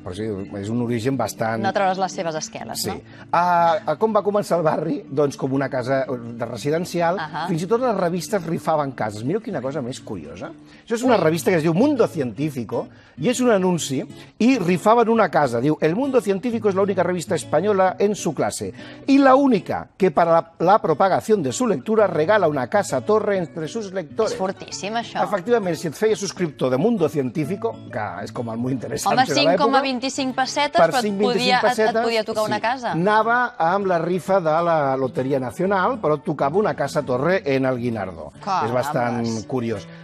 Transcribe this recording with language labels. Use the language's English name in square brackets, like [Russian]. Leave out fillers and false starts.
[Catalan] Però sí, és un origen bastant... No treure's les seves esqueles, sí. No? A com va començar el barri? Doncs com una casa de residencial. Fins i tot les revistes rifaven cases. Mira quina cosa més curiosa. Això és una revista que es diu Mundo Científico i és un anunci i rifaven una casa. Diu, [Spanish] el Mundo Científico es la única revista española en su clase y la única que para la propagación de su lectura regala una casa a torre entre sus lectores. [Catalan] És fortíssim, això. Efectivament, si et feies subscriptor de Mundo Científico, que és com el molt interessant de l'època... Home, 5,25 pessetes, per 5,25 pessetes et podia tocar una casa. Anava amb la rifa de la Loteria Nacional, però tocava una casa a torre en el Guinardó. Com, és bastant curiós.